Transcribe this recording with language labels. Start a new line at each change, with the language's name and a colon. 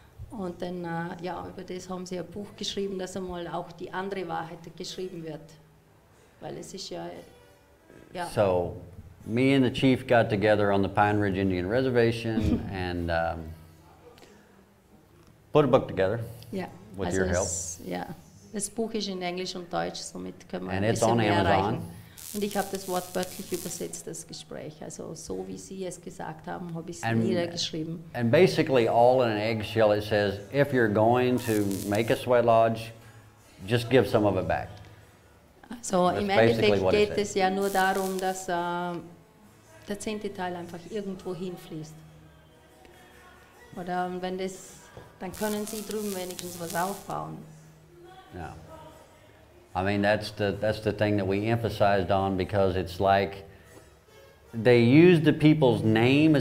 German: Und dann, ja, über das haben sie ein Buch geschrieben, dass einmal auch die andere Wahrheit geschrieben wird. Weil es ist ja...
English: So, me and the chief got together on the Pine Ridge Indian Reservation and put a book together. Yeah. With also your help. Yeah.
German: Das Buch ist in Englisch und Deutsch, somit können
English: and
German: wir ein bisschen mehr
English: Amazon.
German: Erreichen. Und ich habe das Wort wörtlich übersetzt, das Gespräch. Also so wie Sie es gesagt haben, habe ich es niedergeschrieben.
English: And basically all in an eggshell, it says, if you're going to make a sweat lodge, just give some of it back. So that's
German: im Endeffekt geht es ja nur darum, dass der 10. Teil einfach irgendwo hinfließt. Oder wenn das, dann können sie drüben wenigstens was aufbauen. Ja.
English: Yeah. I mean, that's the thing that we emphasized on, because it's like they use the people's name.